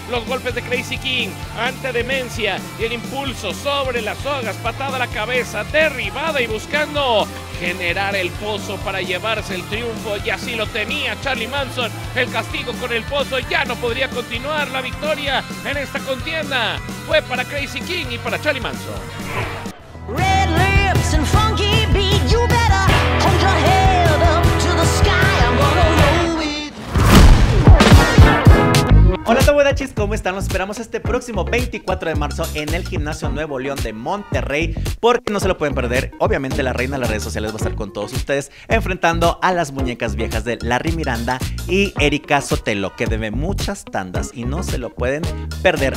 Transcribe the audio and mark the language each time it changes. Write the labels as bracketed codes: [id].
[es] Los golpes de Crazy King ante Demencia. Y el impulso sobre las sogas. Patada a la cabeza, derribada y buscando generar el pozo para llevarse el triunfo. Y así lo tenía Charlie Manson. El castigo con el pozo. Ya no podría continuar la victoria en esta contienda. Fue para Crazy King y para Charlie Manson. [en] Red lips and funky beat, you better hold your head up to the sky, I'm gonna roll with you. [es] Hola Tawedachis, ¿cómo están? Los esperamos este próximo 24 de marzo en el Gimnasio Nuevo León de Monterrey, porque no se lo pueden perder. Obviamente la reina de las redes sociales va a estar con todos ustedes enfrentando a las muñecas viejas de Larry Miranda y Erika Sotelo, que debe muchas tandas y no se lo pueden perder.